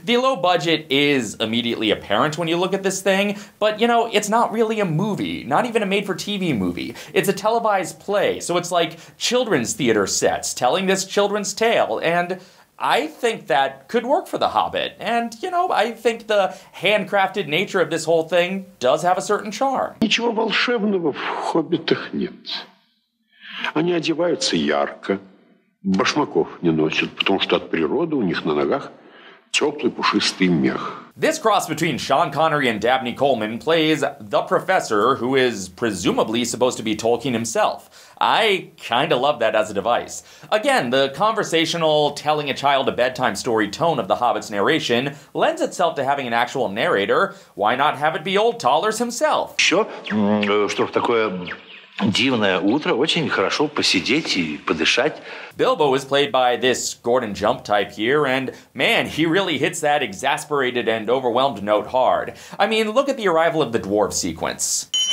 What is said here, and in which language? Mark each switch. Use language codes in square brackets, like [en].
[en] The low budget is immediately apparent when you look at this thing, but you know, it's not really a movie, not even a made-for-TV movie. It's a televised play, so it's like children's theater sets telling this children's tale, and I think that could work for The Hobbit. And, you know, I think the handcrafted nature of this whole thing does have a certain charm. [ru] Ничего волшебного в хоббитах нет. Они одеваются ярко, башмаков не носят, потому что от природы у них на ногах теплый пушистый мех. [en] This cross between Sean Connery and Dabney Coleman plays the professor, who is presumably supposed to be Tolkien himself. I kinda love that as a device. Again, the conversational, telling a child a bedtime story tone of The Hobbit's narration lends itself to having an actual narrator. Why not have it be old Tollers himself? [ru] Что ж такое... Дивное утро, очень хорошо посидеть и подышать. [en] Bilbo is played by this Gordon Jump type here, and man, he really hits that exasperated and overwhelmed note hard. I mean, look at the arrival of the dwarf sequence.